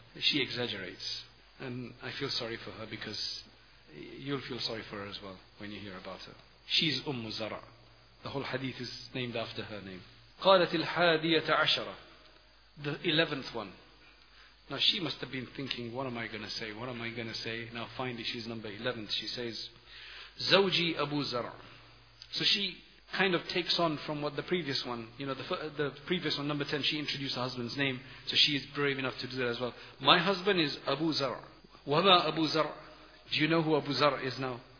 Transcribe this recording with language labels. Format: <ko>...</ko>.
<en>She exaggerates. And I feel sorry for her because you'll feel sorry for her as well when you hear about her. She's Ummu Zara. The whole hadith is named after her name.</en> <ar>قالت الحادية عشرة.</ar> <en>The 11th one. Now she must have been thinking, what am I going to say? What am I going to say? Now finally she's number 11th. She says,</en> <ar>زوجي أبو زرع.</ar> <en>So she kind of takes on from what the previous one, you know, the previous one, number 10, she introduced her husband's name, so she is brave enough to do that as well. My husband is Abu Zar.</en> <ar>Wama Abu Zar.</ar> <en>Do you know who Abu Zar is now?</en>